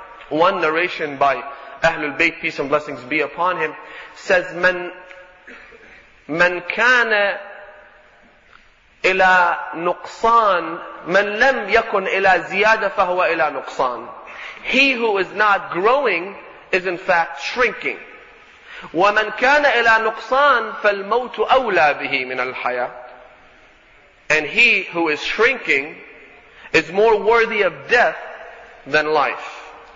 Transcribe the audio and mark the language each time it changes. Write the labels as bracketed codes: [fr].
[en] One narration by Ahlul Bayt, peace and blessings be upon him, says, [ar] من كان إلى نقصان [en] من لم يكن إلى زيادة فهو إلى نقصان. He who is not growing is in fact shrinking. [ar] ومن كان إلى نقصان فالموت أولى به من الحياة. [en] And he who is shrinking is more worthy of death than life.